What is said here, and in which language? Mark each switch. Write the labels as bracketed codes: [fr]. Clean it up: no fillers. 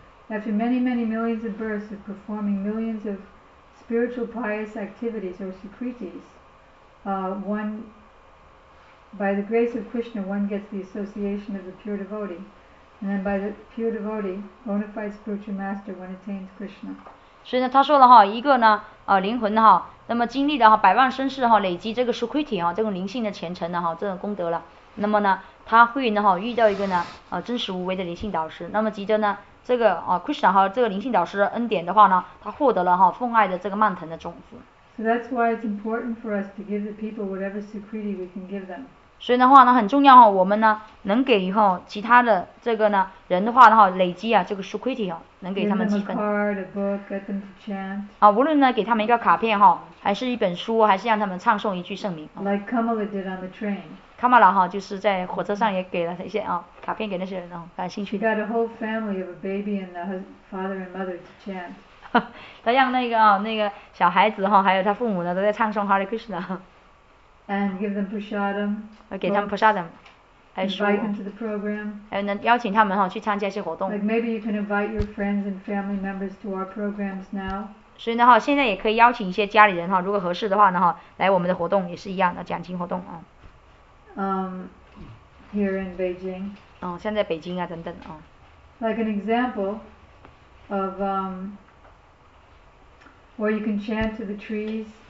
[en] After many many millions of births of performing millions of spiritual pious activities or sukritis, one By the grace of Krishna, one gets the association of the pure devotee, and then by the pure devotee, bona fide spiritual master, one attains Krishna. [zh] 所以呢，他说了哈，一个呢，灵魂哈，那么经历的哈百万生世哈，累积这个 sukriti 哈，这种灵性的虔诚的哈，这种功德了，那么呢，他会呢哈遇到一个呢，真实无为的灵性导师，那么急着呢，这个Krishna 哈，这个灵性导师的恩典的话呢，他获得了哈奉爱的这个蔓藤的种子。 [en] So that's why it's important for us to give the people whatever sukriti we can give them. [zh] 所以的话呢很重要哈，我们呢能给以后其他的这个呢人的话的话累积啊这个 Sukriti 哈，能给他们积分。 [en] Give them a card, a book, get them to chant. [zh] 啊，无论呢给他们一个卡片哈，还是一本书，还是让他们唱诵一句圣名。 [en] Like Kamala did on the train. [zh] Kamala 哈，就是在火车上也给了一些啊卡片给那些人啊感兴趣的。 [en] She got a whole family of a baby and a father and mother to chant. [zh] 他让那个啊那个小孩子哈，还有他父母呢都在唱诵 Hare Krishna。 [en] And give them prasadam. [zh] 给他们 prasadam. [en] Invite them to the program. [zh] 还能邀请他们哈去参加一些活动。 [en] Like maybe you can invite your friends and family members to our programs now. [zh] 所以呢哈，现在也可以邀请一些家里人哈，如果合适的话呢哈，来我们的活动也是一样的奖金活动啊。 [en] Here in Beijing. [zh] 哦，现在北京啊等等啊。 [en] Like an example of where you can chant to the trees.